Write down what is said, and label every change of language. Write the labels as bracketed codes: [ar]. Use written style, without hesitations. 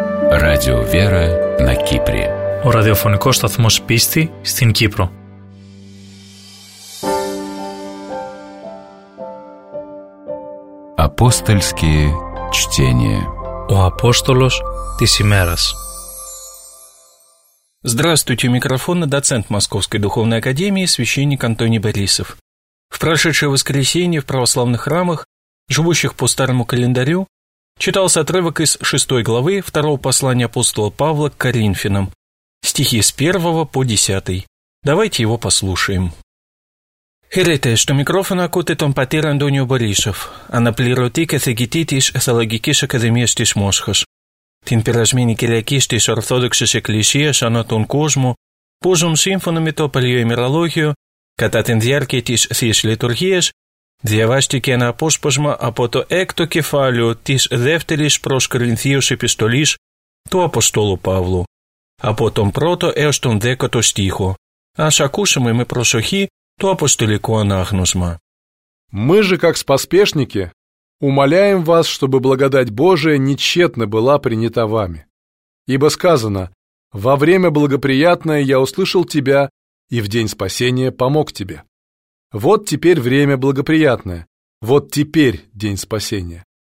[ru] Radio Vera na Kypri. [el] Ο ραδιοφωνικός σταθμός πίστη στην Κύπρο. [ru] Апостольские чтения. [el] Ο Апостолος της ημέρας. [ru] Здравствуйте, у микрофона доцент Московской духовной академии священник Антоний Борисов. В прошедшее воскресенье в православных храмах, живущих по старому календарю, читался отрывок из 6 главы 2 послания апостола Павла к Коринфянам, стихи с 1 по 10. Давайте его послушаем. [el] Χαίρετε, στο μικρόφωνο ακούτε τον πατήρ Αντώνιο Μπορίσοφ, αναπληρωτή καθηγητή της Εθελοντικής Ακαδημίας της Μόσχας. Την περασμένη Κυριακή της Ορθόδοξης Εκκλησίας ανά τον κόσμο, που ζουν σύμφωνα με το παλιό ημερολόγιο, κατά την διάρκεια της Θείας Λειτουργίας, διαβάστηκε ένα απόσπασμα από το 6ο κεφάλαιο της 2ης προς Κορινθίους Επιστολής του Αποστόλου Παύλου, από τον 1ο έως τον 10ο στίχο. Ας ακούσουμε με προσοχή [ru] то апостолическое анагнозма. Мы же, как споспешники, умоляем вас, чтобы благодать Божия не тщетно была принята вами. Ибо сказано: «Во время благоприятное я услышал тебя, и в день спасения помог тебе». Вот теперь время благоприятное, вот теперь день спасения.